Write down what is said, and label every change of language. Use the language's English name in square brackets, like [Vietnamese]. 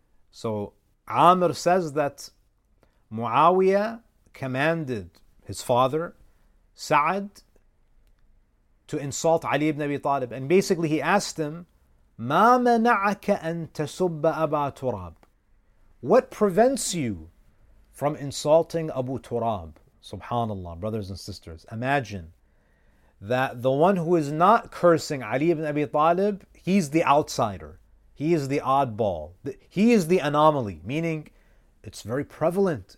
[English] So Amr says that Muawiyah commanded his father, Sa'd, to insult Ali ibn Abi Talib. And basically he asked him, [Arabic] مَا مَنَعَكَ أَن تَسُبَّ أَبَا تُرَاب. [English] What prevents you from insulting Abu Turab? Subhanallah, brothers and sisters, imagine that the one who is not cursing Ali ibn Abi Talib, he's the outsider. He is the oddball. He is the anomaly, meaning it's very prevalent.